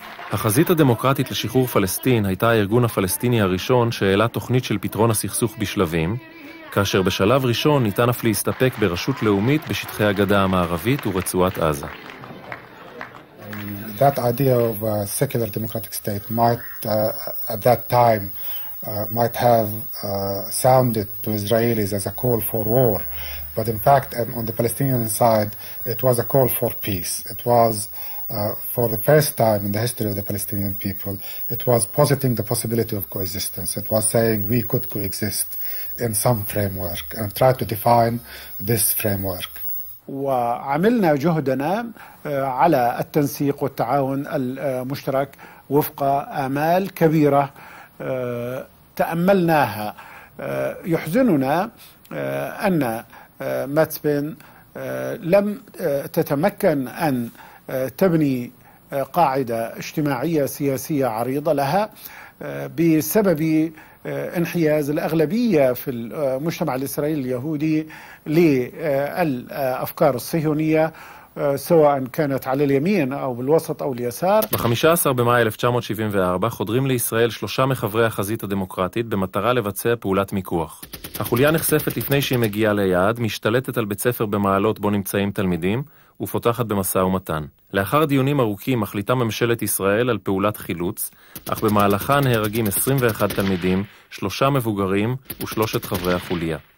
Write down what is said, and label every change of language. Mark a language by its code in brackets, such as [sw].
[he] החזית הדמוקרטית לשחרור פלסטין הייתה הארגון הפלסטיני הראשון שהעלה תוכנית של פתרון הסכסוך בשלבים, כאשר בשלב ראשון ניתן אף להסתפק ברשות לאומית בשטחי הגדה המערבית ורצועת עזה. [en] That idea of a secular democratic state might at that time might have sounded to Israelis as a call for war, but in fact on the Palestinian side it was a call for peace. It was for the first time in the history of the Palestinian people, it was positing the possibility of coexistence. It was saying we could coexist in some framework and try to define this framework. [ar] وعملنا جهدنا على التنسيق والتعاون المشترك وفق آمال كبيرة تأملناها. يحزننا أن ماتسبين لم تتمكن أن تبني قاعدة اجتماعية سياسية عريضة لها بسبب انحياز الأغلبية في المجتمع الإسرائيلي اليهودي للأفكار الصهيونية سواء كانت على اليمين أو بالوسط أو اليسار. [he] ב-15 במאי 1974 חודרים לישראל שלושה מחברי החזית הדמוקרטית במטרה לבצע פעולת מיקוח. החוליה נחשפת לפני שהיא מגיעה ליעד, משתלטת על בית ספר במעלות בו נמצאים תלמידים ופותחת במסע ומתן. לאחר דיונים ארוכים מחליטה ממשלת ישראל על פעולת חילוץ, אך במהלכה נהרגים 21 תלמידים, שלושה מבוגרים ושלושת חברי החוליה.